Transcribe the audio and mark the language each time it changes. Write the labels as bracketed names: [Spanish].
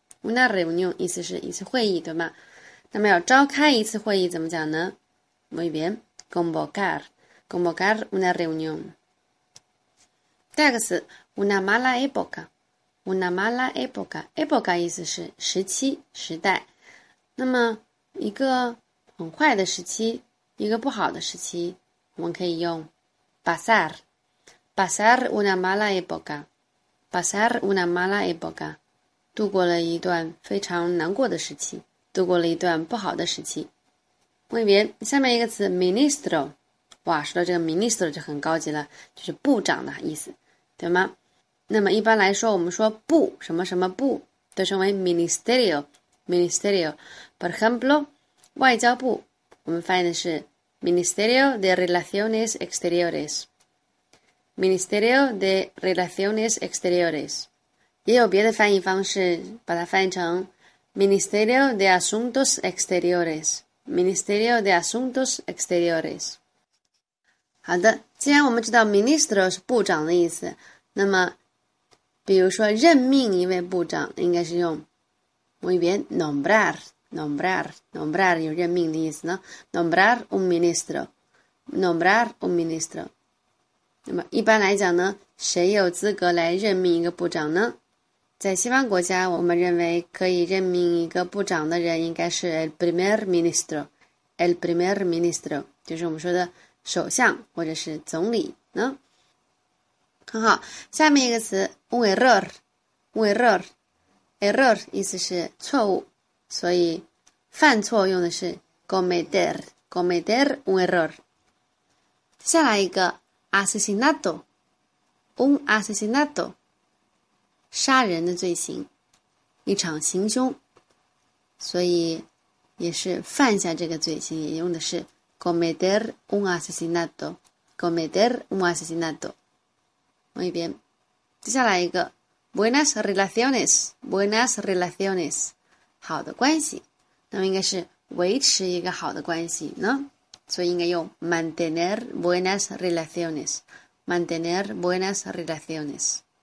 [Spanish] Una reunión, [Chinese] 意思是一次会议，对吗？那么要召开一次会议怎么讲呢？ [Spanish] Muy bien, convocar, convocar una reunión. [Chinese] 第二个词, [Spanish] una mala época, una mala época, [Chinese] época 意思是时期、时代，那么一个很坏的时期。一个不好的时期，我们可以用 [Spanish] pasar, pasar una mala época, [Chinese] pasar una mala época, 度过了一段非常难过的时期，度过了一段不好的时期。 [Spanish] Muy bien, [Chinese] 下面一个词 ministro, 哇，说到这个 ministro 就很高级了，就是部长的意思，对吗？那么一般来说，我们说部什么什么部，都称为 ministerio, ministerio. [Spanish] Por ejemplo, [Chinese] 外交部, 我们翻译的是 [Spanish] Ministerio de Relaciones Exteriores. Ministerio de Relaciones Exteriores. [Chinese] 也有别的翻译方式，把它翻译成 [Spanish] Ministerio de Asuntos Exteriores. Ministerio de Asuntos Exteriores. [Chinese] 好的，既然我们知道 Ministro 是部长的意思，那么，比如说任命一位部长，应该是用 [Spanish] Muy bien, nombrar. Nombrar, nombrar, [Chinese] 有任命的意思呢? [Spanish] Nombrar un ministro, nombrar un ministro. [Chinese] 那么一般来讲呢, 谁有资格来任命一个部长呢? 在西方国家, 我们认为可以任命一个部长的人应该是 [Spanish] el primer ministro, [Chinese] 就是我们说的首相或者是总理呢? 很好, 下面一个词, [Spanish] un error, un error, [Chinese] error 意思是错误, 所以, 犯错用的是 [Spanish] cometer, cometer un error. [Chinese] 接下来一个 [Spanish] asesinato, un asesinato, [Chinese] 杀人的罪行, 一场行凶，所以也是犯下这个罪行，也用的是 [Spanish] cometer un asesinato，cometer un asesinato。 [Chinese] 我一边，接下来一个 [Spanish] buenas relaciones，buenas relaciones， [Chinese] 好的关系，那么应该是维持一个好的关系呢，所以应该用 [Spanish] mantener buenas relaciones，mantener buenas relaciones。